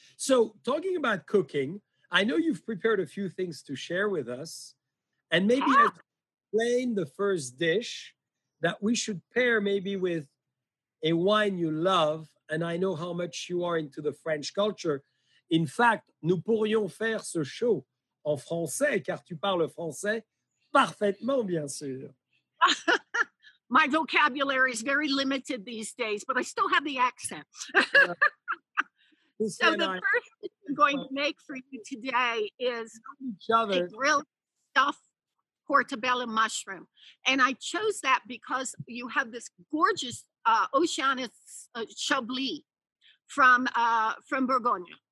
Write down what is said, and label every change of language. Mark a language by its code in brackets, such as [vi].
[en] So talking about cooking, I know you've prepared a few things to share with us. And maybe I'll explain the first dish that we should pair maybe with a wine you love and I know how much you are into the French culture. In fact, [fr] nous pourrions faire ce show en français, car tu parles français parfaitement, bien sûr. [en] My vocabulary is very limited these days, but I still have the accent. So the first thing I'm going to make for you today is a grilled stuffed portobello mushroom. And I chose that because you have this gorgeous Oceanus Chablis from Bourgogne.